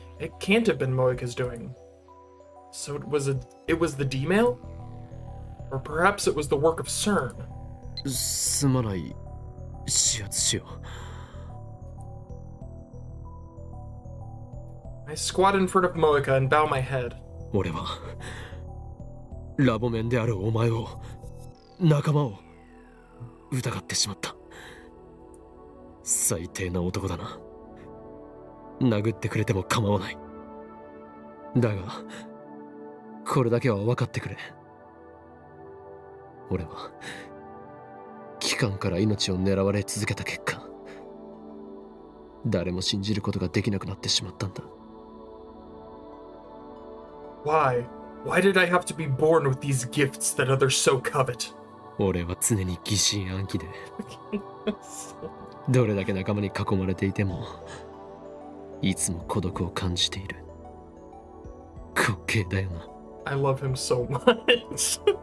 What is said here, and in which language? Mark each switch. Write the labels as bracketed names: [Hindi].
[English] It can't have been Moeka's doing. So it was the D-mail? Or perhaps it was the work of CERN? [Japanese] すまない。始末しよう。 [English] I squat in front of Moeka and bow my head. [Japanese] 俺は、ラボ面であるお前を、仲間を、疑ってしまった。最低な男だな。殴ってくれても構わない。だが、これだけは分かってくれ。俺は、機関から命を狙われ続けた結果、誰も信じることができなくなってしまったんだ。 [English] Why did I have to be born with these gifts that others so covet? [Japanese] 俺は常に疑心暗鬼で、どれだけ仲間に囲まれていても、いつも孤独を感じている。滑稽だよな。 [English] I love him so much.